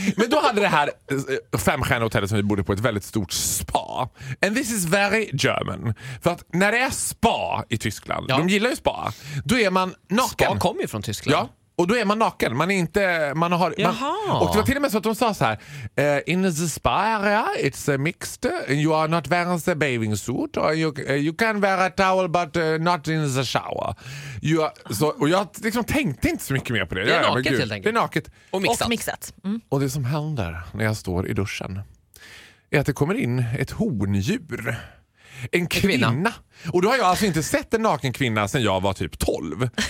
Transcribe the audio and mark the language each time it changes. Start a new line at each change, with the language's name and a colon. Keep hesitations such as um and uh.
Swedish: Men då hade det här femstjärniga hotellet som vi bodde på ett väldigt stort spa.
English: And this is very German.
Swedish: För att när det är spa i Tyskland Ja. De gillar ju spa. Då är man naken. Spa kommer ju från Tyskland. Ja. Och då är man naken. Man är inte, man har, Jaha. man, och det till och med så att de sa så här.
English: Uh, in the spa area it's mixed. You are not wearing the bathing suit. Or you, uh, you can wear a towel but uh, not in the shower. You are, so,
Swedish: och jag liksom tänkte inte så mycket mer på det. Det är, är naket ja, helt enkelt. Det är naket. Och mixat. Och, mixat. Mm. och, det som händer när jag står i duschen är att det kommer in ett horndjur. En kvinna. en kvinna. Och då har jag alltså inte sett en naken kvinna sedan jag var typ 12.